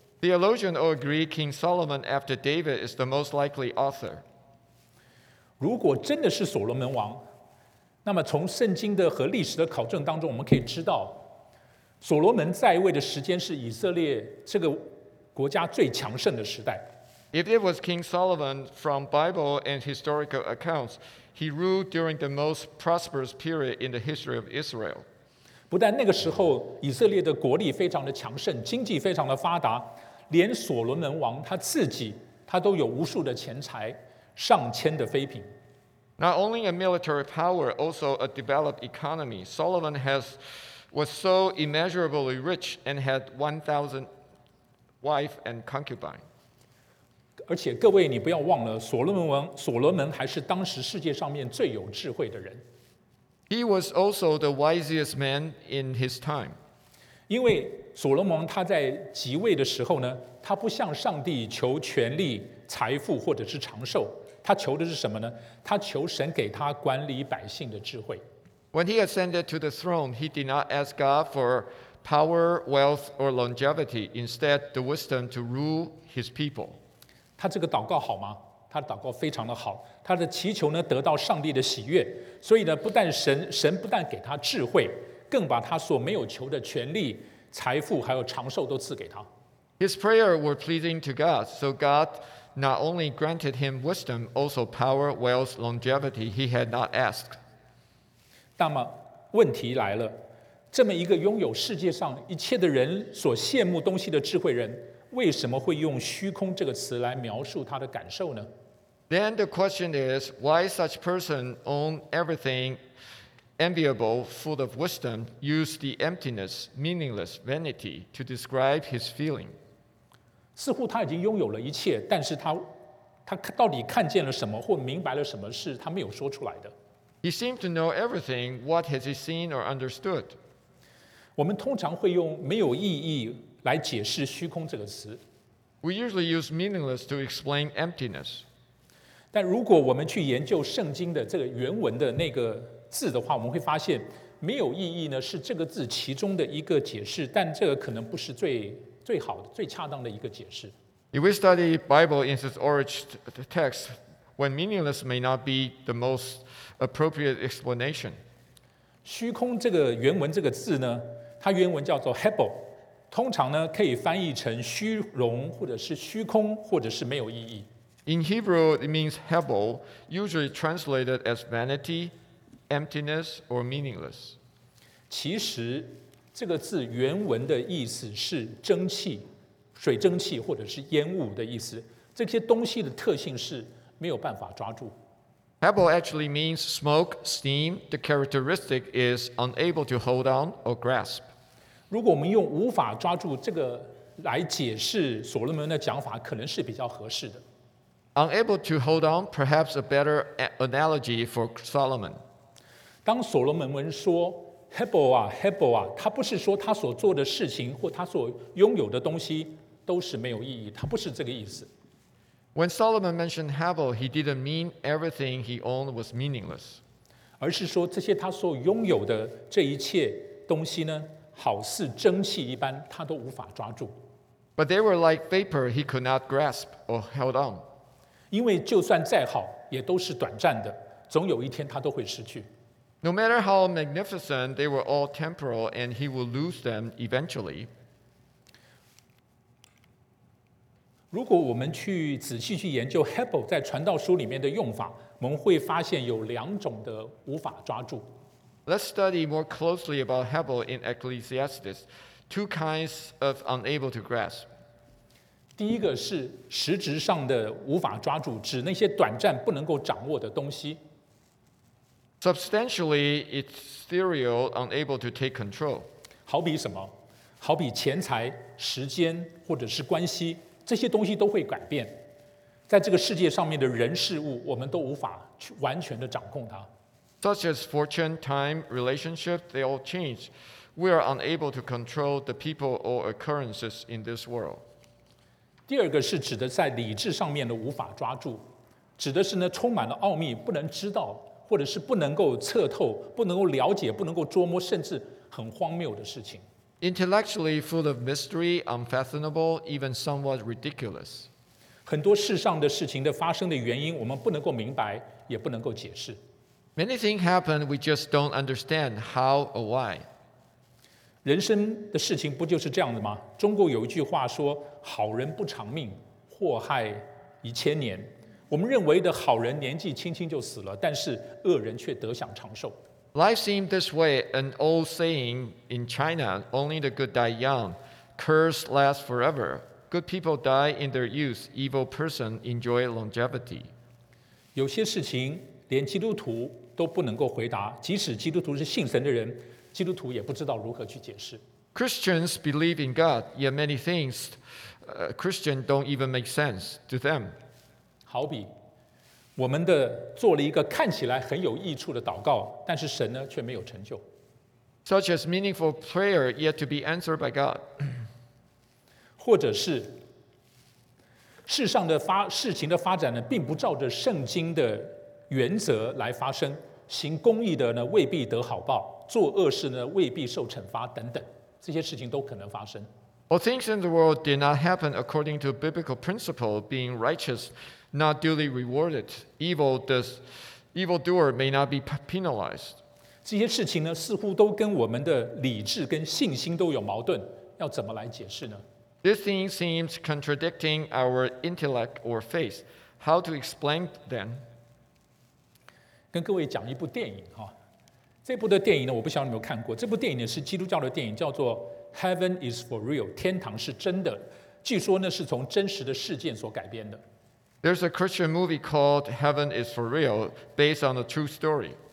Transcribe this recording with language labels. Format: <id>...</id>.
<en>Theologians all agree King Solomon after David is the most likely author.</en> <zh>如果真的是所罗门王，那么从圣经的和历史的考证当中，我们可以知道，所罗门在位的时间是以色列这个国家最强盛的时代。</zh> <en>If it was King Solomon, from Bible and historical accounts, he ruled during the most prosperous period in the history of Israel.</en> <zh>不但那个时候以色列的国力非常的强盛，经济非常的发达，连所罗门王他自己他都有无数的钱财，上千的妃嫔。</zh> <en>Not only a military power, also a developed economy. Solomon was so immeasurably rich and had 1,000 wives and concubines.</en> <zh>而且各位，你不要忘了，所罗门还是当时世界上面最有智慧的人。</zh> <en>He was also the wisest man in his time.</en> <zh>因为所罗门他在即位的时候呢，他不向上帝求权力、财富或者是长寿，他求的是什么呢？他求神给他管理百姓的智慧。</zh> <en>When he ascended to the throne, he did not ask God for power, wealth, or longevity. Instead, the wisdom to rule his people.</en> <zh>他这个祷告好吗？他的祷告非常的好，他的祈求呢得到上帝的喜悦，所以呢，不但神不但给他智慧，更把他所没有求的权利、财富还有长寿都赐给他。</zh> <en>His prayer were pleasing to God, so God not only granted him wisdom, also power, wealth, longevity he had not asked.</en> <zh>那么问题来了，这么一个拥有世界上一切的人所羡慕东西的智慧人，为什么会用虚空这个词来描述他的感受呢？</zh> <en>Then the question is, why such person own everything enviable, full of wisdom, use the emptiness, meaningless vanity to describe his feeling?</en> <zh>似乎他已经拥有了一切，但是他到底看见了什么或明白了什么是他没有说出来的。</zh> <en>He seemed to know everything. What has he seen or understood?</en> <zh>我们通常会用没有意义来解释虚空这个词。</zh> <en>We usually use meaningless to explain emptiness.</en> <zh>但如果我们去研究圣经的这个原文的那个字的话，我们会发现没有意义呢是这个字其中的一个解释，但这个可能不是最好的、最恰当的一个解释。</zh> <en>If we study Bible in its origin text, when meaningless may not be the most appropriate explanation.</en> <zh>虚空这个原文这个字呢，它原文叫做 hebel，通常呢可以翻译成虚荣，或者是虚空，或者是没有意义。</zh> <en>In Hebrew, it means hebel, usually translated as vanity, emptiness, or meaningless.</en> <zh>其实这个字原文的意思是蒸汽、水蒸气或者是烟雾的意思。这些东西的特性是没有办法抓住。</zh> <en>Hebel actually means smoke, steam. The characteristic is unable to hold on or grasp.</en> <zh>如果我们用无法抓住这个来解释所罗门的讲法，可能是比较合适的。</zh> <en>Unable to hold on, perhaps a better analogy for Solomon.</en> <zh>当所罗门文说 Hebel 啊 ，Hebel 啊，他不是说他所做的事情或他所拥有的东西都是没有意义，他不是这个意思。</zh> <en>When Solomon mentioned Hebel, he didn't mean everything he owned was meaningless.</en> <zh>而是说这些他所拥有的这一切东西呢？好似蒸汽一般，他都无法抓住。</zh> <en>But they were like vapor; he could not grasp or hold on.</en> <zh>因为就算再好，也都是短暂的，总有一天他都会失去。</zh> <en>No matter how magnificent, they were all temporal, and he will lose them eventually.</en> <zh>如果我们去仔细去研究 Hebel 在传道书里面的用法，我们会发现有两种的无法抓住。</zh> <en>Let's study more closely about Hebel in Ecclesiastes. Two kinds of unable to grasp.</en> <zh>第一个是实质上的无法抓住，指那些短暂不能够掌握的东西。</zh> <en>Substantially, it's ethereal, unable to take control.</en> <zh>好比什么？好比钱财、时间或者是关系，这些东西都会改变。在这个世界上面的人事物，我们都无法去完全的掌控它。</zh> <en>Such as fortune, time, relationships, they all change. We are unable to control the people or occurrences in this world.</en> <zh>第二个是指的在理智上面的无法抓住，指的是呢充满了奥秘，不能知道，或者是不能够测透，不能够了解，不能够捉摸，甚至很荒谬的事情。</zh> <en>Intellectually full of mystery, unfathomable, even somewhat ridiculous.</en> <zh>很多世上的事情的发生的原因，我们不能够明白，也不能够解释。</zh> <en>Many things happen, we just don't understand how or why.</en> <zh>人生的事情不就是这样的吗？中国有一句话说，好人不长命，祸害一千年。我们认为的好人年纪轻轻就死了，但是恶人却得享长寿。</zh> <en>Life seemed this way, an old saying in China, only the good die young, curse lasts forever. Good people die in their youth, evil person enjoy longevity.</en> <zh>有些事情连基督徒都不能够回答，即使基督徒是信神的人，基督徒也不知道如何去解释。</zh> <en>Christians believe in God, yet many things, Christian don't even make sense to them.</en> <zh>好比我们的做了一个看起来很有益处的祷告，但是神呢却没有成就。</zh> <en>Such as meaningful prayer yet to be answered by God.</en> <zh>或者是世上的事情的发展呢，并不照着圣经的原则来发生。行公义的呢，未必得好报；做恶事呢，未必受惩罚等等，这些事情都可能发生。</zh> <en>All things in the world did not happen according to biblical principle. Being righteous, not duly rewarded. Evildoer may not be penalized.</en> <zh>这些事情呢，似乎都跟我们的理智跟信心都有矛盾，要怎么来解释呢？</zh> <en>This thing seems contradicting our intellect or faith. How to explain then?</en> <zh>跟各位讲一部电影哈，这部的电影呢，我不晓得你有没有看过。这部电影呢是基督教的电影，叫做 Heaven is for Real， 天堂是真的。据说呢是从真实的事件所改编的。</zh> <en>There's a Christian movie called Heaven is for Real, based on a true story.</en>